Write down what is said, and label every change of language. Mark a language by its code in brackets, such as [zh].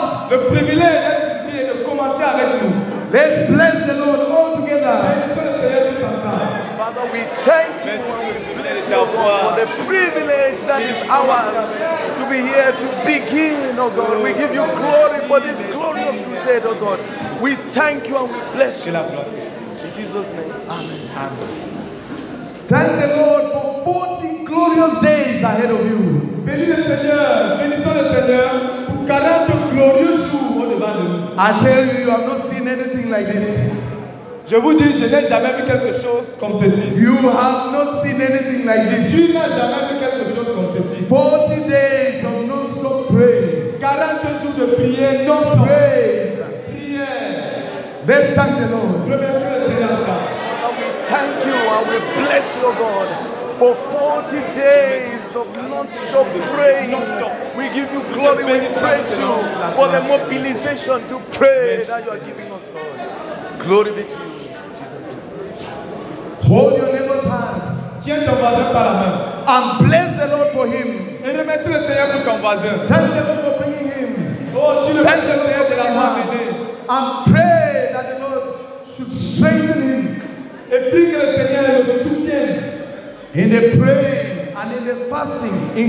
[fr] Le privilège d'être ici et de commencer avec nous. [en] Let's bless the Lord all together. Father, we thank you for the privilege that is ours to be here to begin, oh God. We give you glory for this glorious crusade, oh God. We thank you and we bless you. In Jesus' name. Amen. Amen. Thank the Lord for 40 glorious days ahead of you. [fr] Bénis le Seigneur. Bénissons le Seigneur pour 40 glorieux jours au-devant de nous. [en] I tell you, I've not seen anything like this. [fr] Je vous dis, je n'ai jamais vu quelque chose comme ceci. [en] You have not seen anything like this. [fr] Tu n'as jamais vu quelque chose comme ceci. [en] 40 days of non-stop prayer. [fr] 40 jours de prière non-stop. [en] Prayer. [fr] Prière. [en] Let's thank the Lord. [fr] Remercie le Seigneur. [en] Thank you, and we bless you, God, for 40 days of non-stop praying. We give you glory, we praise you for the mobilization to pray that you are giving us, God. Glory be to you, Jesus. Hold your neighbor's hand. [fr] Tiens ton voisin par la main. [en] And bless the Lord for him. [fr] Et remercie le Seigneur pour ton voisin. [en] Thank the Lord for bringing him. [fr] Oh, tu le bénis, le Seigneur de la main. [en] And pray that the Lord should strengthen him. [fr] Et prie que le Seigneur le soutienne. [en] In the praying and in the fasting, in